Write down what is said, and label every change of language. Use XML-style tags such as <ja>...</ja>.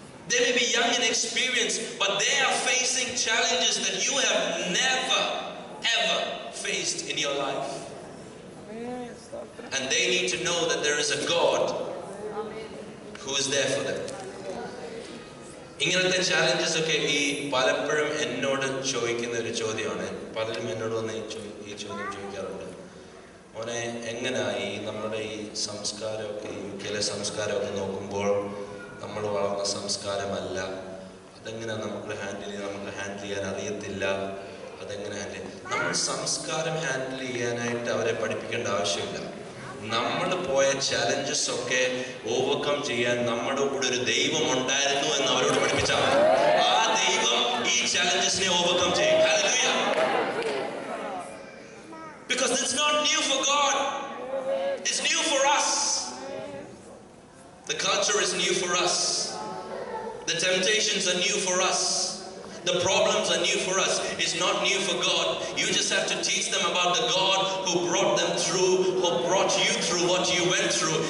<en>They may be young in experience, but they are facing challenges that you have never, ever faced in your life. And they need to know that there is a God who is there for them.</en> <ml>ഇങ്ങനത്തെ challenges ഒക്കെ ഈ പലപ്പോഴും എന്നോട് ചോദിക്കുന്ന ഒരു ചോദ്യമാണ്. പലരും എന്നോട് വന്ന് ഈ ചോദ്യം ചോദിക്കാറുണ്ട്, മോനെ എങ്ങനെയായി നമ്മുടെ ഈ സംസ്കാരമൊക്കെ, യുകെയിലെ സംസ്കാരമൊക്കെ നോക്കുമ്പോൾ നമ്മൾ വളർന്ന സംസ്കാരമല്ല, അതെങ്ങനെയാണ് നമുക്ക് ഹാൻഡിൽ ചെയ്യാൻ, നമുക്ക് ഹാൻഡിൽ ചെയ്യാൻ അറിയത്തില്ല, അതെങ്ങനെ ഹാൻഡിൽ ചെയ്യാം? നമ്മൾ സംസ്കാരം ഹാൻഡിൽ ചെയ്യാനായിട്ട് അവരെ പഠിപ്പിക്കേണ്ട ആവശ്യമില്ല. നമ്മൾ പോയ ചലഞ്ചസ് ഒക്കെ ഓവർകം ചെയ്യാൻ നമ്മുടെ കൂടെ ഒരു ദൈവം ഉണ്ടായിരുന്നു എന്ന് അവരോട് പഠിപ്പിച്ചാൽ ആ ദൈവം ഈ ചലഞ്ചസിനെ ഓവർകം ചെയ്യും.</ml> <en>Hallelujah. Because it's not new for God. It's new for us. The culture is new for us. The temptations are new for us. The problems are new for us. It's not new for God. You just have to teach them about the God who brought them through, who brought you through what you went through.</en>